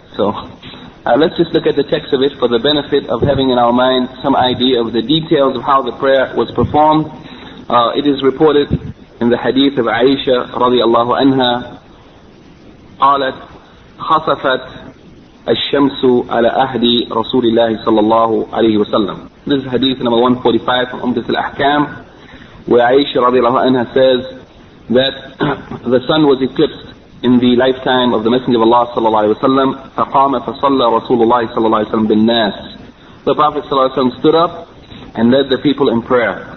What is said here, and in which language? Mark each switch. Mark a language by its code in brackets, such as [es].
[en] So let's just look at the text of it for the benefit of having in our mind some idea of the details of how the prayer was performed. It is reported in the hadith of Aisha radiallahu anha, [ar] قالت خصفت الشمس على أهدي رسول الله صلى الله عليه وسلم. [en] This is hadith number 145 from Umdat al-Ahkam, where Aisha radiallahu anha says that the sun was eclipsed in the lifetime of the Messenger of Allah sallallahu alaihi wasallam. [ar] فَقَامَ فَصَلَّى رَسُولُ اللَّهِ صَلَّى اللَّهِ وَسَلَّمَ بِالنَّاسِ. [en] The Prophet sallallahu alaihi wasallam stood up and led the people in prayer.